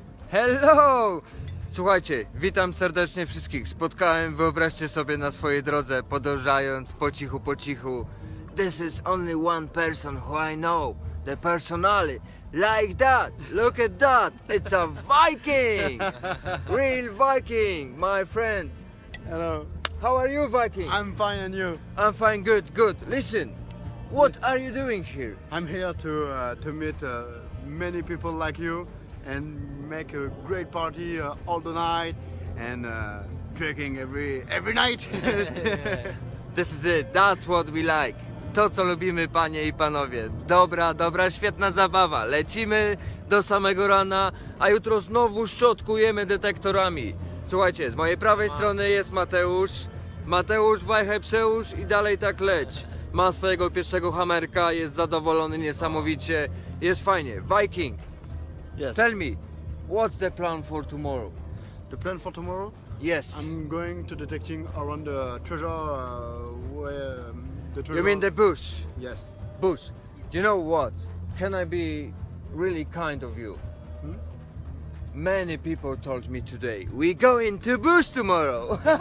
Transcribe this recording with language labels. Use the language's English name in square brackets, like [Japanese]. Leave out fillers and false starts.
[English] Hello! [Polish] Słuchajcie, witam serdecznie wszystkich. Spotkałem, wyobraźcie sobie, na swojej drodze, podążając po cichu. [English] This is only one person who I know. The personally. Like that! Look at that! It's a Viking! Real Viking, my friend. Hello. How are you, Viking? I'm fine, and you? I'm fine, good. Listen, what are you doing here? I'm here to meet many people like you. And make a great party all the night and drinking every night. This is it, that's what we like. [Polish] To, co lubimy, panie i panowie. Dobra, świetna zabawa. Lecimy do samego rana, a jutro znowu szczotkujemy detektorami. Słuchajcie, z mojej prawej strony jest Mateusz. Mateusz, wajchę przełóż i dalej tak leć. Ma swojego pierwszego hamerka, jest zadowolony niesamowicie. Jest fajnie. Viking. [English] Yes. Tell me, what's the plan for tomorrow? The plan for tomorrow? Yes. I'm going to detecting around the treasure, where the treasure... You mean the bush? Yes. Bush. Do you know what? Can I be really kind of you? Hmm? Many people told me today, we go into bush tomorrow.